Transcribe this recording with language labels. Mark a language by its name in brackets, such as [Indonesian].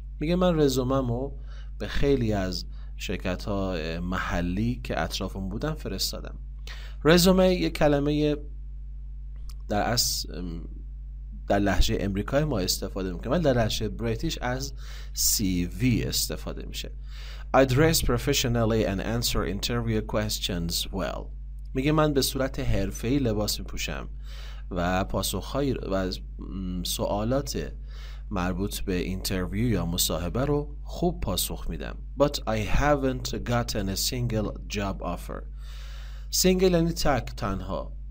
[Persian] میگه من رزومه‌مو به خیلی از شرکت‌ها محلی که اطرافم بودن فرستادم. رزومه یک کلمه در اصل در لهجه امریکای ما استفاده می‌کنم، ولی در لهجه بریتیش از CV استفاده میشه. [English] I dress professionally and answer interview questions well. [Persian] میگه من به صورت حرفه‌ای لباس می‌پوشم و پاسخ‌های و سوالات مربوط به اینترویو یا مصاحبه رو خوب پاسخ میدم. [English] But I haven't gotten a single job offer. [Persian] سینگل یعنی تک، تنها،